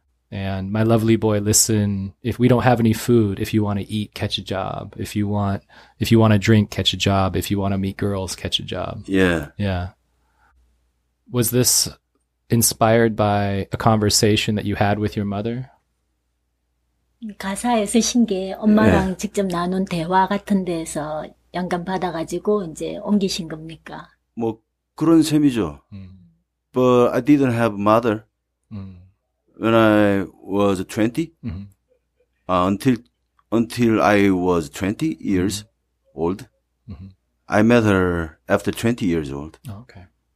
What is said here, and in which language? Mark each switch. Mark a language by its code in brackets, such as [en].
[en] And my lovely boy, listen, if we don't have any food, if you want to eat, catch a job. If you want to drink, catch a job. If you want to meet girls, catch a job. Yeah. Yeah. Was this inspired by a conversation that you had with your mother? [ko] 가사에 쓰신 게 엄마랑 yeah. 직접 나눈 대화 같은 데서 영감 받아가지고 이제 옮기신 겁니까? 뭐 그런 셈이죠. [en] But I didn't have a mother when I was 20. Mm-hmm. Until I was 20 years old. I met her after 20 years old. Okay.